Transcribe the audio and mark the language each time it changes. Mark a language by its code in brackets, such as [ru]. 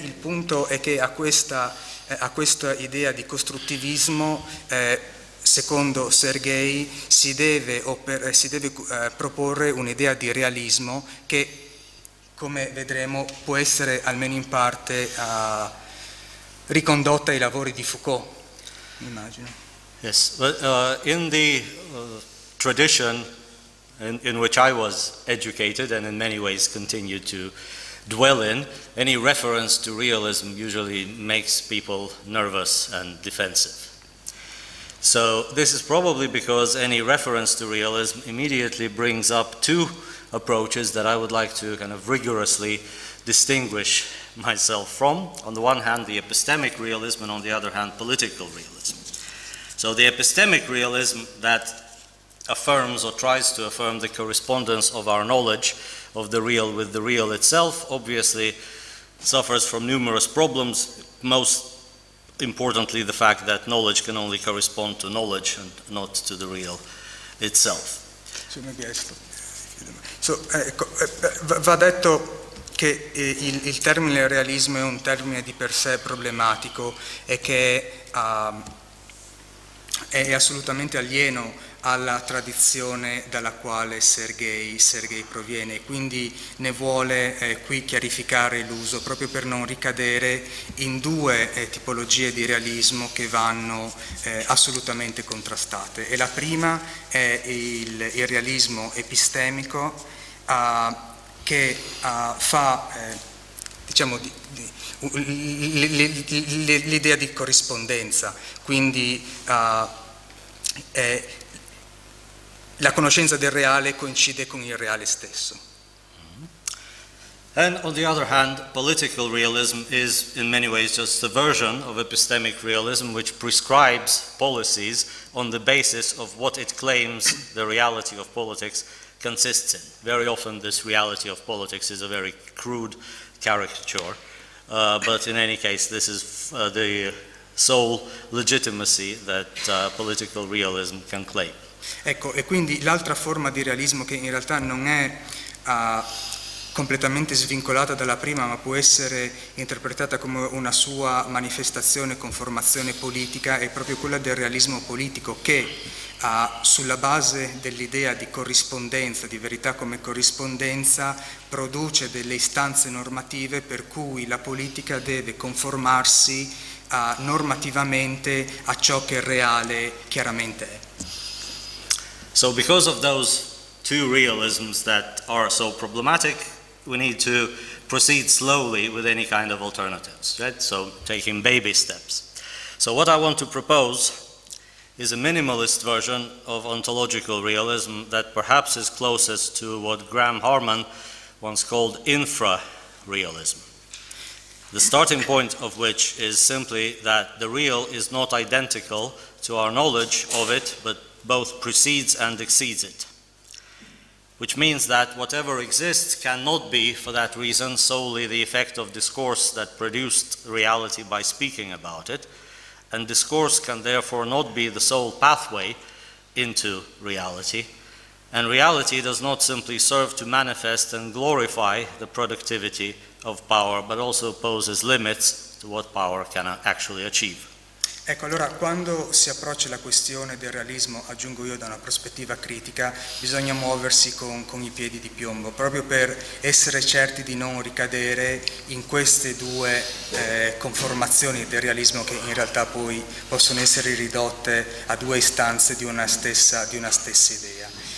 [it] Il punto è che a questa idea di costruttivismo, secondo Sergei, si deve proporre un'idea di realismo che, come vedremo, può essere almeno in parte ricondotta ai lavori di Foucault, immagino. [en] Yes, but in the tradition in which I was educated and in many ways continue to dwell in, any reference to realism usually makes people nervous and defensive. So this is probably because any reference to realism immediately brings up two approaches that I would like to kind of rigorously distinguish myself from. On the one hand, the epistemic realism, and on the other hand, political realism. So the epistemic realism that affirms or tries to affirm the correspondence of our knowledge of the real with the real itself obviously suffers from numerous problems, most importantly the fact that knowledge can only correspond to knowledge and not to the real itself. So maybe I stop. [it] So, ecco, va detto che il termine realismo è un termine di per sé problematico e che è assolutamente alieno alla tradizione dalla quale Sergei proviene, quindi ne vuole qui chiarificare l'uso proprio per non ricadere in due tipologie di realismo che vanno assolutamente contrastate. E la prima è il realismo epistemico che fa diciamo l'idea di corrispondenza, quindi è la conoscenza del reale coincide con il reale stesso. [en] And on the other hand, political realism is in many ways just a version of epistemic realism which prescribes policies on the basis of what it claims the reality of politics consists in. Very often this reality of politics is a very crude caricature, but in any case this is the sole legitimacy that political realism can claim. [it] Ecco, e quindi l'altra forma di realismo che in realtà non è completamente svincolata dalla prima, ma può essere interpretata come una sua manifestazione, conformazione politica, è proprio quella del realismo politico che sulla base dell'idea di corrispondenza, di verità come corrispondenza, produce delle istanze normative per cui la politica deve conformarsi normativamente a ciò che è reale chiaramente è. [en] So because of those two realisms that are so problematic, we need to proceed slowly with any kind of alternatives, right? So taking baby steps. So what I want to propose is a minimalist version of ontological realism that perhaps is closest to what Graham Harman once called infra-realism, the starting point of which is simply that the real is not identical to our knowledge of it, but both precedes and exceeds it. Which means that whatever exists cannot be, for that reason, solely the effect of discourse that produced reality by speaking about it, and discourse can therefore not be the sole pathway into reality, and reality does not simply serve to manifest and glorify the productivity of power, but also poses limits to what power can actually achieve. [it] Ecco, allora, quando si approccia la questione del realismo, aggiungo io da una prospettiva critica, bisogna muoversi con i piedi di piombo, proprio per essere certi di non ricadere in queste due conformazioni del realismo che in realtà poi possono essere ridotte a due istanze di una stessa idea.